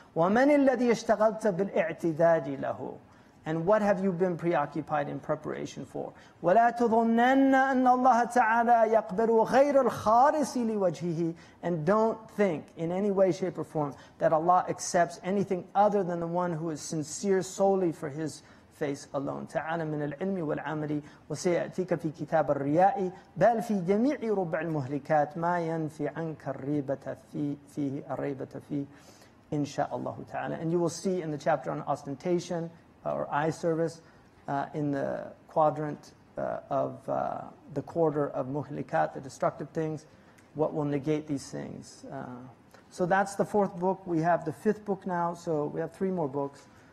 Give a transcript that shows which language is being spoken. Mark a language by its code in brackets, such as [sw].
[ar] وَمَنِ الَّذِي اشْتَغَلْتَ بِالْإِعْتِدَادِ لَهُ, [en] and what have you been preoccupied in preparation for? [ar] وَلَا تَظُنَّنَّ أَنَّ اللَّهَ تَعَالَى يَقْبَلُ غَيْرَ الْخَارِسِ لِوَجْهِهِ, [en] and don't think in any way, shape or form that Allah accepts anything other than the one who is sincere solely for his face alone. [ar] تعالى من العلم والعمل وسيأتيك في كتاب الرياء بل في جميع ربع المهلكات ما ينفي عنك الريبة فيه الريبة فيه إن شاء الله تعالى. [en] And you will see in the chapter on ostentation or eye service in the quadrant of the quarter of muhlikat, the destructive things, what will negate these things. So that's the fourth book. We have the fifth book now, so we have three more books.